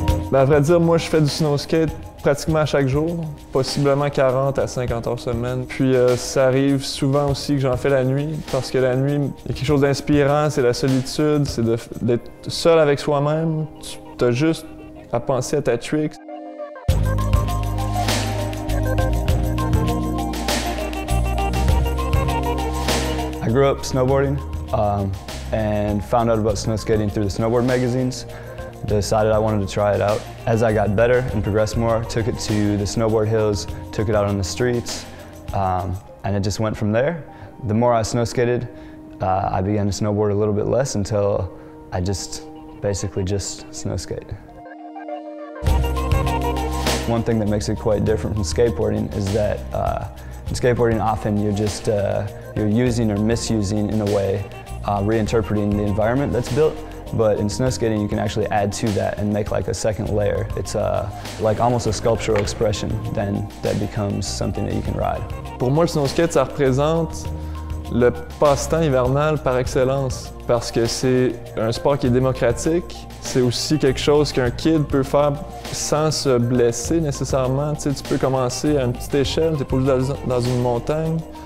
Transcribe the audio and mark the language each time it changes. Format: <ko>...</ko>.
<fr>Ben, à vrai dire, moi, je fais du snow skate pratiquement à chaque jour, possiblement 40 à 50 heures semaine. Puis ça arrive souvent aussi que j'en fais la nuit, parce que la nuit, il y a quelque chose d'inspirant, c'est la solitude, c'est d'être seul avec soi-même. Tu as juste à penser à ta trick.</fr> <en>I grew up snowboarding and found out about snow skating through the snowboard magazines. Decided I wanted to try it out. As I got better and progressed more, took it to the snowboard hills, took it out on the streets, and it just went from there. The more I snow skated, I began to snowboard a little bit less until I just snow skate. One thing that makes it quite different from skateboarding is that in skateboarding often you're just you're using or misusing in a way, reinterpreting the environment that's built. But in snow skating, you can actually add to that and make like a second layer. It's like almost a sculptural expression then that becomes something that you can ride.</en> <fr>Pour moi, le snow skate, ça représente le passe-temps hivernal par excellence parce que c'est un sport qui est démocratique. C'est aussi quelque chose qu'un kid peut faire sans se blesser nécessairement. Tu sais, tu peux commencer à une petite échelle, tu es posé dans une montagne.</fr>